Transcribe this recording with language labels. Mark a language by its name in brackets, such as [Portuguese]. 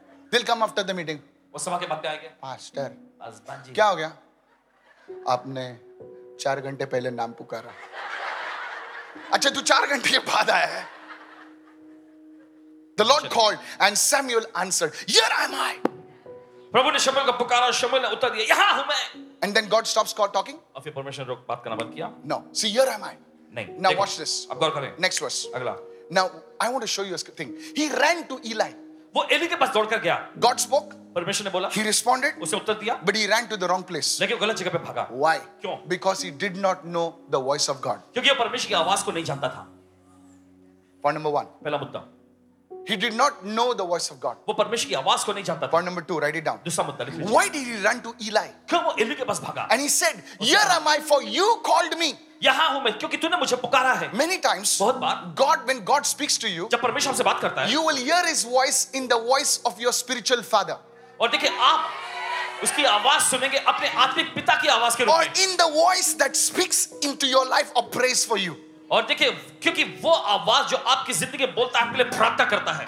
[English] They'll come after the meeting. [Hindi] वो सभा के बाद पे आएंगे. [English] Pastor. Husband ji. [Hindi] क्या हो गया? आपने 4 घंटे पहले नाम पुकारा. अच्छा तू 4 घंटे के बाद आया है. [English] The Lord called and Samuel answered, "Here am I." [Hindi] प्रभु ने शमूएल को पुकारा और शमूएल ने उत्तर दिया, "यहाँ हूँ मैं." [English] And then God stops God talking. [Hindi] और फिर परमेश्वर रुक बात करना बंद किया. [English] No, see, here am I. [Hindi] नहीं. [English] Now watch this. [Hindi] अब गौर करें. [English] Next verse. [Hindi] अगला. [English] Now I want to show you a thing. He ran to Eli. [Hindi] वो एली के पास दौड़कर गया. [English] God spoke. [Hindi] परमेश्वर ने बोला. [English] He responded. [Hindi] उसे उत्तर दिया. [English] But he ran to the wrong place. [Hindi] लेकिन गलत जगह पे भागा. [English] Why? [Hindi] क्यों? [English] Because he did not know the voice of God. [Hindi] क्योंकि वो परमेश्वर की आवाज को नहीं जानता था. [English] Point number one. [Hindi] पहला मुद्दा. [English] He did not know the voice of God. [Hindi] वो परमेश्वर की आवाज को नहीं जानता था. [English] Point number two. Write it down. [Hindi] दूसरा मुद्दा लिख लीजिए. [English] Why did he run to Eli? [Hindi] क्यों वो एली के पास भागा? [English] And he said, "Here am I, for you called me." [Hindi] यहाँ हूँ मैं क्योंकि तूने मुझे पुकारा है. [English] Many times, [Hindi] बहुत बार, [English] God, when God speaks to you, [Hindi] जब परमेश्वर आपसे बात करता है, [English] you will hear His voice in the voice of your spiritual father. [Hindi] और देखिए आप उसकी आवाज सुनेंगे अपने आत्मिक पिता की आवाज के रूप में. [English] Or in the voice that speaks into your life or prays for you. [Hindi] और देखिए क्योंकि वो आवाज जो आपकी जिंदगी बोलता है आपके लिए प्रार्थना करता है.